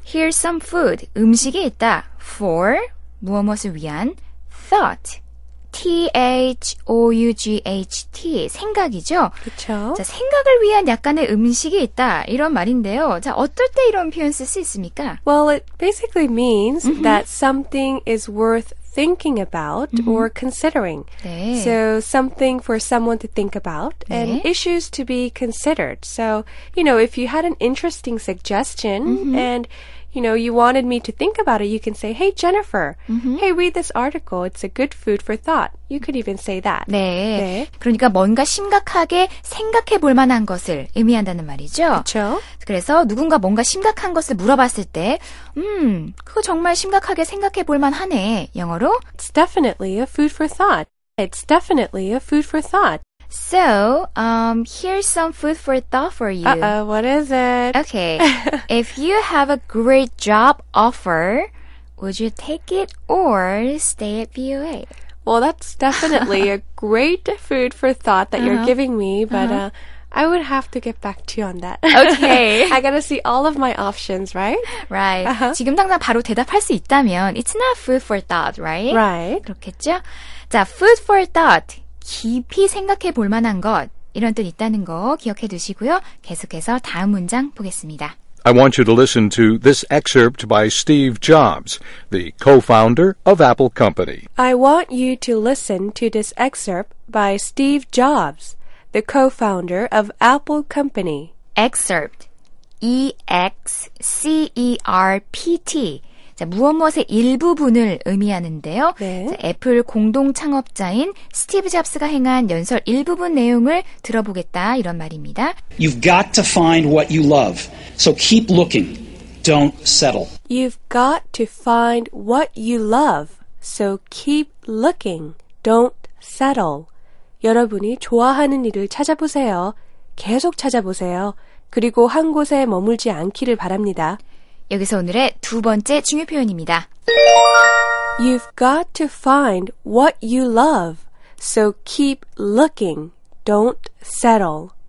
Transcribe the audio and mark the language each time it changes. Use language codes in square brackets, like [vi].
[en] Here's some food. [ko] 음식이 있다. [en] For [ko] 무엇무엇을 위한 [en] thought. [ko] T-H-O-U-G-H-T. 생각이죠? 그렇죠. 자, 생각을 위한 약간의 음식이 있다. 이런 말인데요. 자, 어떨 때 이런 표현 쓸 수 있습니까? [en] Well, it basically means mm-hmm. that something is worth thinking about mm-hmm. or considering. [ko] 네. [en] So something for someone to think about 네. and issues to be considered. So, you know, if you had an interesting suggestion mm-hmm. and, you know, you wanted me to think about it, you can say, hey, Jennifer, mm-hmm. hey, read this article. It's a good food for thought. You could even say that. [ko] 네. 네. 그러니까 뭔가 심각하게 생각해 볼 만한 것을 의미한다는 말이죠. 그렇죠. 그래서 누군가 뭔가 심각한 것을 물어봤을 때, 그거 정말 심각하게 생각해 볼 만하네. 영어로. [en] It's definitely a food for thought. It's definitely a food for thought. So, here's some food for thought for you. Uh-oh, what is it? Okay. If you have a great job offer, would you take it or stay at VOA? Well, that's definitely a great food for thought that uh-huh. you're giving me, but uh-huh. I would have to get back to you on that. Okay. I gotta see all of my options, right? Right. Uh-huh. [ko] 지금 당장 바로 대답할 수 있다면, [en] it's not food for thought, right? Right. [ko] 그렇겠죠? 자, food for thought. 깊이 생각해 볼 만한 것, 이런 뜻 있다는 거 기억해 두시고요. 계속해서 다음 문장 보겠습니다. [en] I want you to listen to this excerpt by Steve Jobs, the co-founder of Apple Company. I want you to listen to this excerpt by Steve Jobs, the co-founder of Apple Company. Excerpt, E-X-C-E-R-P-T. [ko] 자, 무엇무엇의 일부분을 의미하는데요. 네. 자, 애플 공동 창업자인 스티브 잡스가 행한 연설 일부분 내용을 들어보겠다 이런 말입니다. [en] You've got to find what you love. So keep looking. Don't settle. You've got to find what you love. So keep looking. Don't settle. [ko] 여러분이 좋아하는 일을 찾아보세요. 계속 찾아보세요. 그리고 한 곳에 머물지 않기를 바랍니다. 여기서 오늘의 두 번째 중요 표현입니다. [en] You've got to find what you love, so keep looking, don't settle.